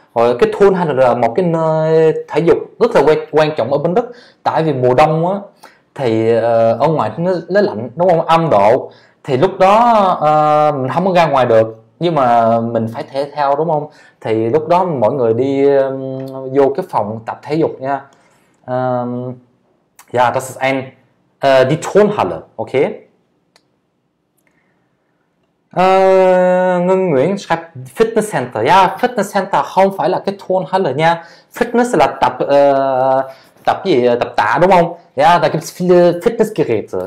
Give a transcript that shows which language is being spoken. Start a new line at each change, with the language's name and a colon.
Vietnamese: Rồi cái Turnhalle là một cái nơi thể dục rất là quan trọng ở bên Đức, tại vì mùa đông á, thì ở ngoài nó lạnh đúng không, âm độ, thì lúc đó mình không có ra ngoài được nhưng mà mình phải thể thao đúng không, thì lúc đó mọi người đi vô cái phòng tập thể dục nha.
German: Das ist ein die Turnhalle. Ok. Ngân Nguyễn schreibt Fitness Center.
Vietnamese: Fitness Center không phải là cái Turnhalle nha. Fitness là tập tập gì tập tạ đúng không?
German: Da gibt es viele Fitnessgeräte.